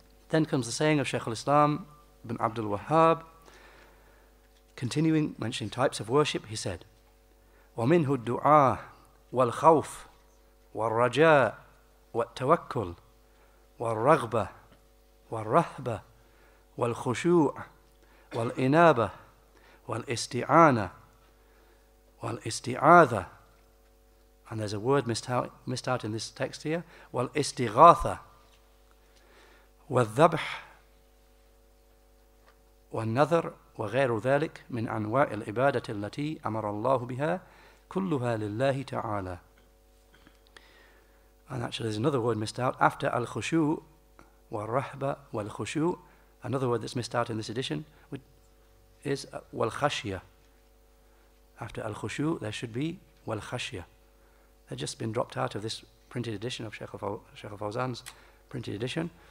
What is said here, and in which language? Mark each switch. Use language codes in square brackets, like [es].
[en] Then comes the saying of Shaykh al-Islam ibn Abdul Wahhab, continuing mentioning types of worship, he said, [ar] وَمِنْهُ الدُّعَى وَالْخَوْفُ وَالرَّجَاءُ وَالتَّوَكُّلُ وَالرَّغْبَةُ وَالرَّهْبَةُ وَالْخُشُوعُ وَالْإِنَابَةُ وَالْإِسْتِعَانَةُ والاستعاذة. [en] And there's a word missed out in this text here. [ar] والاستغاثة والذبح والنذر وغير ذلك من أنواع العبادة التي أمر الله بها كلها لله تعالى. [en] And actually there's another word missed out after [ar] الخشوع والرهبة والخشوع. [en] Another word that's missed out in this edition is والخشية. After Al-Khushu, there should be Wal-Khashya. They've just been dropped out of this printed edition of Shaykh al-Fawzan's printed edition.